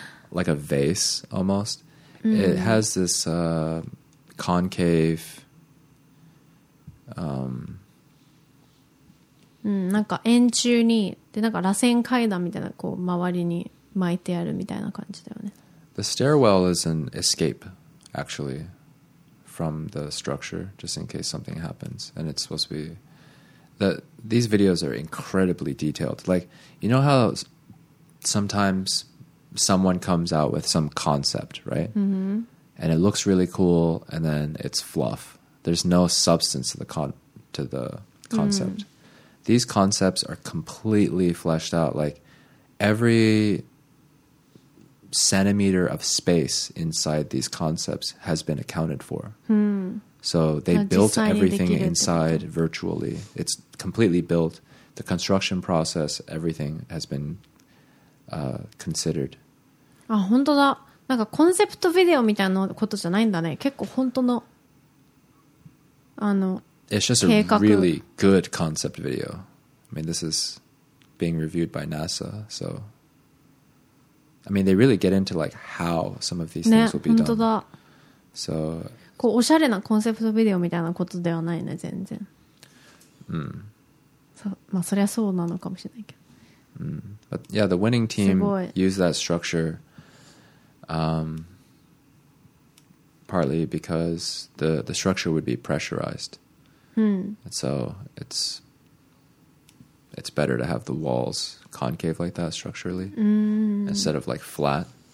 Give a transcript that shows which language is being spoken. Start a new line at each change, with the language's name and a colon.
English: Like a vase, almost.、Mm. It has this concave...
Japanese: なんか円柱に、で、なんか螺旋階段みたいな、こう、周りに巻いてあるみたいな感じだよね。
English: The stairwell is an escape, actually, from the structure, just in case something happens. And it's supposed to be... These videos are incredibly detailed. Like, you know how sometimes someone comes out with some concept, right? Mm-hmm. And it looks really cool, and then it's fluff. There's no substance to the concept. Mm. These concepts are completely fleshed out. Like, every centimeter of space inside these concepts has been accounted for. So they built everything inside virtually. It's completely built. The construction process, everything has been considered.
Japanese: あ、本当だ。なんかコンセプトビデオみたいなことじゃないんだね。結構本当の、あの、
English: It's just 計画。 a really good concept video. I mean, this is being reviewed by NASA, so... I mean, they really get into like how some of these things、ね、 will be done.
Japanese: 本当だ。
English: So...
Japanese: こうおしゃれなコンセプトビデオみたいなことではないね、全然。うん。まあそりゃそうなのかもしれないけど。うん。
English: But yeah, the winning team used that structure, partly because the structure would be pressurized. うん。 So it's better to have the walls concave like that structurally, instead of like flat.